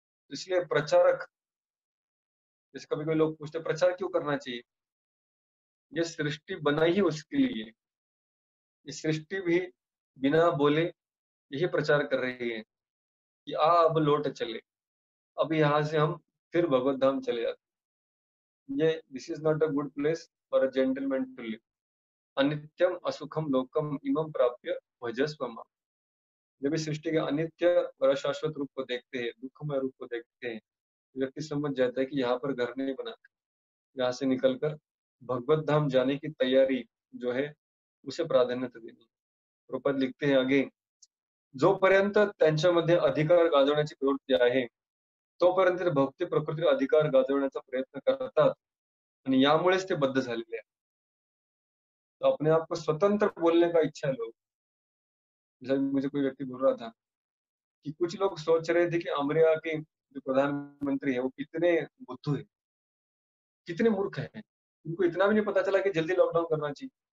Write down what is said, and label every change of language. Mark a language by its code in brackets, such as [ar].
[hi] तो इसलिए प्रचारक, जैसे कभी कभी लोग पूछते प्रचार क्यों करना चाहिए, ये सृष्टि बनाई ही उसके लिए, इस सृष्टि भी बिना बोले यही प्रचार कर रही है कि आ अब लौट चले, अब यहां से हम फिर भगवत धाम चले जाते, ये [en] this is not a good place for a gentleman to live, [sa] अनित्यम असुखम लोकम इमम प्राप्य भजस्व माम। [hi] जब इस सृष्टि के अनित्य और अशाश्वत रूप को देखते हैं, दुखमय रूप को देखते हैं, व्यक्ति समझ जाता है कि यहाँ पर घर नहीं बना, यहाँ से निकलकर भगवत धाम जाने की तैयारी जो है उसे प्राधान्यता देनी। [mr] रूपद लिखते हैं आगे, जोपर्यंत त्यांच्या मध्ये अधिकार गाजवण्याची प्रवृत्ती आहे तोपर्यंत ते भक्ती प्रकृतीला अधिकार गाजवण्याचा प्रयत्न करतात, आणि यामुळेच ते बद्ध झालेले आहे। [hi] तो अपने आप को स्वतंत्र बोलने का इच्छा है लोग, जैसे मुझे कोई व्यक्ति बोल रहा था कि कुछ लोग सोच रहे थे कि अमेरिका के जो प्रधानमंत्री है वो कितने बुद्धू है, कितने मूर्ख है, उनको इतना भी नहीं पता चला कि जल्दी लॉकडाउन करना चाहिए।